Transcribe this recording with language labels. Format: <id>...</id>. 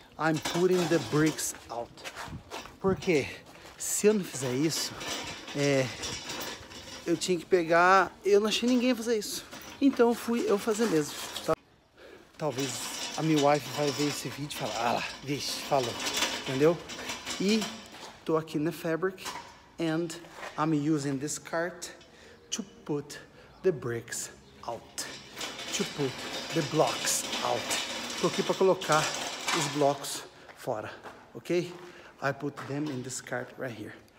<en>I'm putting the bricks out.</en> <pt>Porque se eu não fizer isso, eu tinha que pegar. Eu não achei ninguém fazer isso. Então fui eu fazer mesmo. Talvez a minha wife vai ver esse vídeo e falar, ah lá, vixe, falou. Entendeu? E tô aqui na</pt> <en>fabric and I'm using this cart to put the bricks out. To put the blocks out.</en> <pt>Tô aqui para colocar os blocos fora, ok?</pt> <en>I put them in this cart right here.</en>